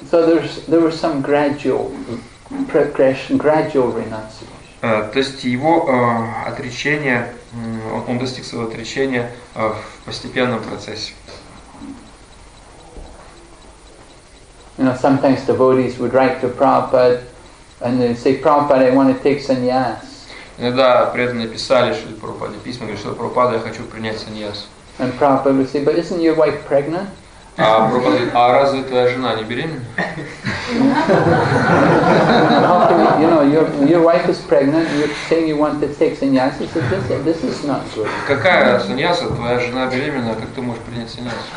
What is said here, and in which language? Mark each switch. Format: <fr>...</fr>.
<en>So there was some gradual progression, gradual renunciation.</en> <ru>То есть его отречение, он достиг своего отречения в постепенном процессе.</ru> <en>You know, sometimes devotees would write to Prabhupada and they say, Prabhupada, I want to take sannyas.</en> <ru>Иногда преданные писали Шри Прабхупаде письма, говорят, что Прабхупада, я хочу принять саньяс.</ru> <en>And Prabhupada would say, but isn't your wife pregnant?</en> <ru>А разве твоя жена не беременна?</ru> <en>How can you, you know, your wife is pregnant, you're saying you want to take sannyasa, so this is not good.</en> <ru>Какая саньяса? Твоя жена беременна, как ты можешь принять саньясу?</ru>